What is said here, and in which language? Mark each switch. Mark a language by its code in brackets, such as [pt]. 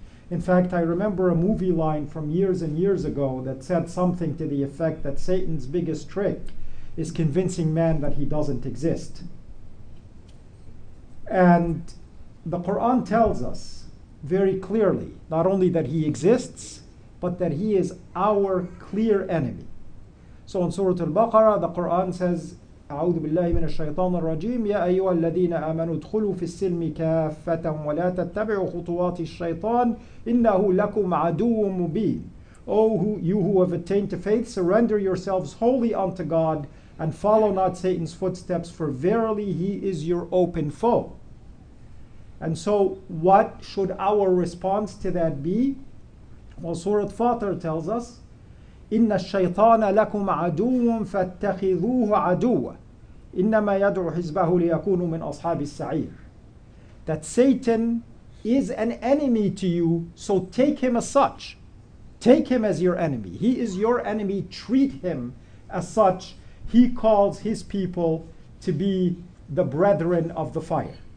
[en] In fact, I remember a movie line from years and years ago that said something to the effect that Satan's biggest trick is convincing man that he doesn't exist. And the Quran tells us very clearly, not only that he exists, but that he is our clear enemy. So in Surah Al-Baqarah, the Quran says, [ar] أَعُوذُ بِاللَّهِ مِنَ الشَّيْطَانِ الرَّجِيمِ يَا أَيُّهَا الَّذِينَ آمَنُوا ادْخُلُوا فِي السِّلْمِ كَافَّةً وَلَا تَتَّبِعُوا خُطُوَاتِ الشَّيْطَانِ إِنَّهُ لَكُمْ عَدُوٌّ مُبِينٌ. [en] O you who have attained to faith, surrender yourselves wholly unto God and follow not Satan's footsteps, for verily he is your open foe. And so what should our response to that be? Well, Surah Fatir tells us, [ar] إِنَّ الشَّيْطَانَ لَكُمْ عَدُوٌّ فَاتَّخِذُوهُ عَدُوًّا إِنَّمَا يَدْعُ حِزْبَهُ لِيَكُونُوا مِنْ أَصْحَابِ السَّعِيرِ. [en] That Satan is an enemy to you, so take him as such. Take him as your enemy. He is your enemy. Treat him as such. He calls his people to be the brethren of the fire.